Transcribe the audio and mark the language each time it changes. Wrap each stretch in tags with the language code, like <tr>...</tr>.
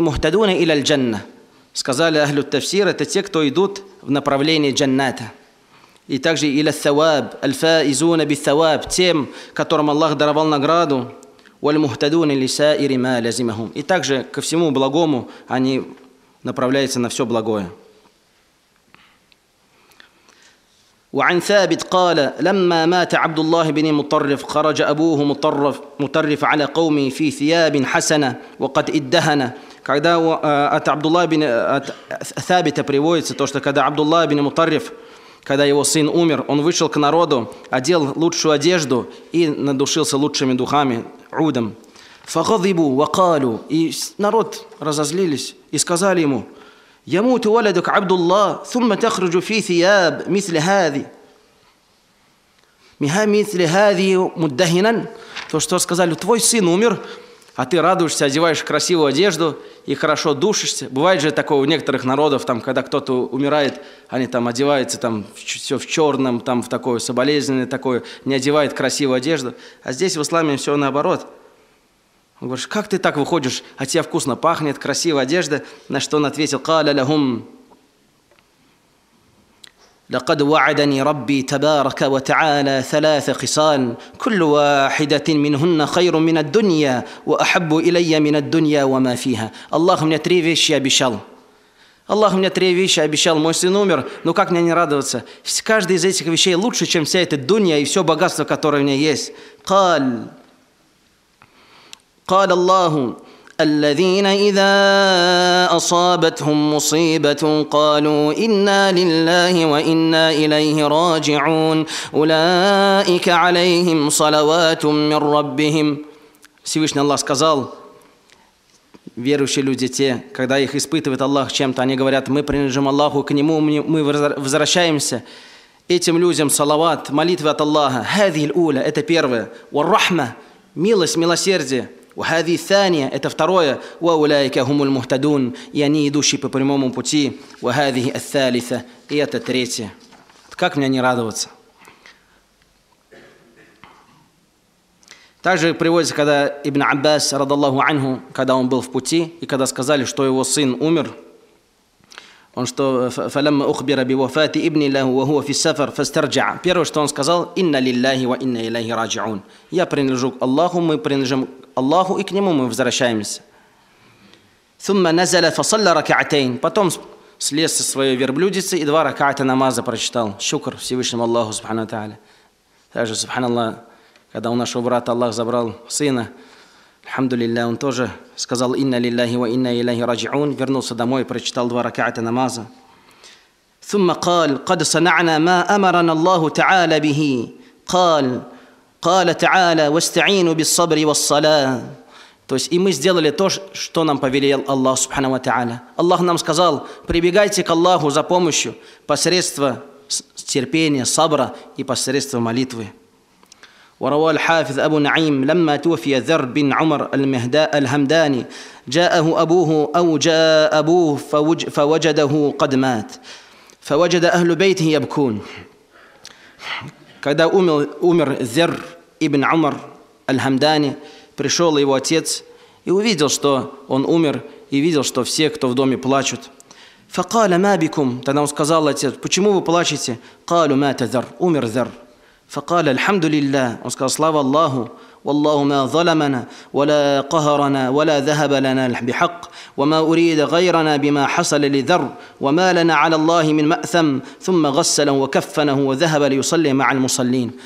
<ar>Мухтадуна или аль-джанна.</ar> <ru>Сказали ахлю тафсир, это те, кто идут в направлении джанната. И также или ал-саваб,</ru> <ar>аль-фаизуна би-саваб,</ar> <ru>тем, которым Аллах даровал награду.</ru> <ar>Валь-мухтадуна или саири ма лазимахум.</ar> <ru>И также ко всему благому они направляются на все благое.</ru> <ar>وعن ثابت قال لما مات عبد الله بن مطرف خرج أبوه مطرف على قومه في ثياب حسنة وقد ادهن.</ar> <ru>Когда от Абдуллах бин Сабита приводится то, что когда Абдуллах бин Мутарриф, когда его сын умер, он вышел к народу, одел лучшую одежду и надушился лучшими духами, удом.</ru> <ar>فغضبوا وقالوا,</ar> <ru>и народ разозлились и сказали ему:</ru> <ar>يموت ولدك عبد الله ثم تخرج في ثياب مثل هذه مهام مثل هذه مدهنا.</ar> <ru>То, что сказали: твой сын умер, а ты радуешься, одеваешь красивую одежду и хорошо душишься. Бывает же такое у некоторых народов, там, когда кто-то умирает, они там одеваются, там все в черном, там в такое соболезненное такое, не одевают красивую одежду. А здесь в исламе все наоборот. Он говорит: как ты так выходишь, а тебе вкусно пахнет, красивая одежда? На что он ответил:</ru> <ar>قَالَ لَهُمْ لَقَدْ وَعَدَنِي رَبِّي تَبَارَكَ وَتَعَالَى ثَلَاثَ خِصَالٍ كُلُّ وَاحِدَةٍ مِنْهُنَّ خَيْرٌ مِنَ الدُّنْيَا وَأَحَبُّ إِلَيَّ مِنَ الدُّنْيَا وَمَا فِيهَا.</ar> <ru>Аллах мне три вещи обещал. Аллах мне три вещи обещал. Мой сын умер, но как мне не радоваться? Каждая из этих вещей лучше, чем вся эта дунья и все богатство, которое у меня есть.</ru> <ar>قَالَ قال الله الذين إذا أصابتهم مصيبة قالوا إنا لله وإنا إليه راجعون أولئك عليهم صلوات من ربهم.</ar> <ru>Всевышний Аллах сказал: верующие люди, те, когда их испытывает Аллах чем-то, они говорят: мы принадлежим Аллаху, к Нему мы возвращаемся. Этим людям салават, молитвы от Аллаха.</ru> <ar>هذه الأولى,</ar> <ru>это первое. والرحمة, милость, милосердие.</ru> <ar>وهذه الثانية,</ar> <ru>это второе.</ru> <ar>وأولئك هم المهتدون,</ar> <ru>и они идущие по прямому пути.</ru> <ar>وهذه الثالثة,</ar> <ru>и это третье. Как мне не радоваться? Также приводится, когда Ибн Аббас радиаллаху анху, когда он был в пути и когда сказали, что его сын умер, он что:</ru> <ar>فلما أخبر بوفاة ابن له وهو في السفر فاسترجع.</ar> <ru>Первое, что он сказал:</ru> <ar>إن لله وإنا إليه راجعون.</ar> <ru>Я принадлежу Аллаху, мы принадлежим Аллаху, и к Нему мы возвращаемся.</ru> <ar>ثم نزل فصلى ركعتين.</ar> <ru>Потом слез со своей верблюдицы и два ракаата намаза прочитал. Шукр Всевышнему Аллаху Субхану Тааля. Также, субханаллах, когда у нашего брата Аллах забрал сына, альхамдулиллах, он тоже сказал</ru> <ar>«Инна лиллахи ва инна иляхи раджиун»,</ar> <ru>вернулся домой, прочитал два ракаата намаза.</ru> <ar>ثم قال قد صنعنا ما أمرنا الله تعالى به قال تعالى واستعينوا بالصبر والصلاة.</ar> <ru>То есть и мы сделали то, что нам повелел Аллах Субхана ва Тааля. Аллах нам сказал: прибегайте к Аллаху за помощью посредством терпения, сабра и посредством молитвы.</ru> <ar>وروى الحافظ أبو نعيم لما توفي ذر بن عمر الهمداني جاءه أبوه أو جاء أبوه فوجده قد مات. فَوَجَدَ أَهْلُ بَيْتِهِ يَبْكُونَ.</ar> <ru>Когда умер Зер ибн Умар аль-Хамдани, пришел его отец и увидел, что он умер, и видел, что все, кто в доме, плачут.</ru> <ar>فَقَالَ مَا بِكُمْ.</ar> <ru>Тогда он сказал отец: почему вы плачете?</ru> <ar>قَالُ مَاتَ ذَرْ.</ar> <ru>Умер Зер.</ru> <ar>فَقَالَ الْحَمْدُ لِلَّهِ.</ar> <ru>Он сказал: слава Аллаху.</ru> <ar>والله ما ظلمنا ولا قهرنا ولا ذهب لنا بحق وما أريد غيرنا بما حصل لذر وما لنا على الله من مأثم ثم غسل وكفنه وذهب ليصلي مع المصلين.</ar>